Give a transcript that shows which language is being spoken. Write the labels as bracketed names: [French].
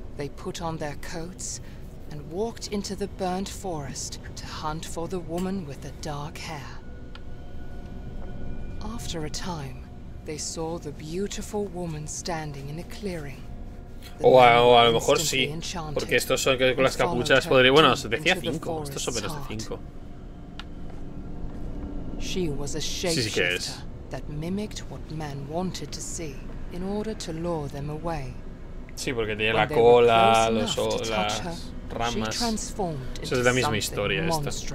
[English] They put on their coats and walked into the burnt forest to hunt for the woman with the dark hair. After a time, they saw the beautiful woman standing in a clearing. [Spanish] O a lo mejor sí, porque estos son con las capuchas podría. Bueno, os decía 5, estos son menos de 5. [English] She was a shapeshifter that mimicked what men wanted to see in order to lure them away. [Spanish] Sí, porque tenía la cola, las ramas. Eso es la misma historia esta.